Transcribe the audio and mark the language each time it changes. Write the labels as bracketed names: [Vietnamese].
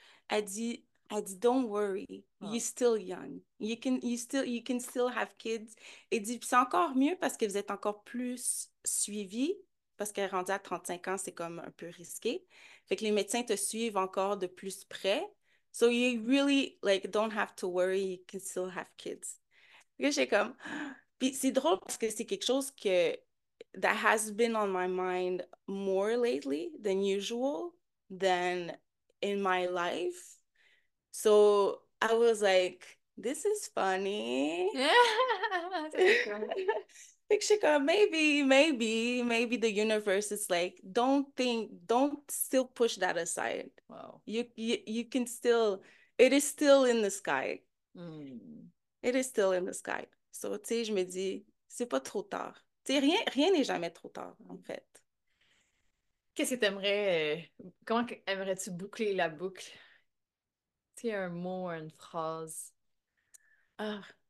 [French] Elle dit, [English] Don't worry, you're still young. You can still have kids. [French] Elle dit, c'est encore mieux parce que vous êtes encore plus suivis, parce qu'elle est rendue à 35 ans, c'est comme un peu risqué. Fait que les médecins te suivent encore de plus près. [English] So you really, like, don't have to worry, you can still have kids. [French] Et j'ai comme... Puis c'est drôle parce que c'est quelque chose que [English] that has been on my mind more lately than usual than in my life. So I was like, this is funny. Yeah, that's so cool. [French] que je suis comme, [English] maybe the universe is like, don't still push that aside. Wow. You can still, it is still in the sky. It is still in the sky. [French] So, tu sais, je me dis, c'est pas trop tard. Tu sais, rien n'est jamais trop tard, en fait. Qu'est-ce que t'aimerais, comment aimerais-tu boucler la boucle? Tu as un mot, une phrase. Ah.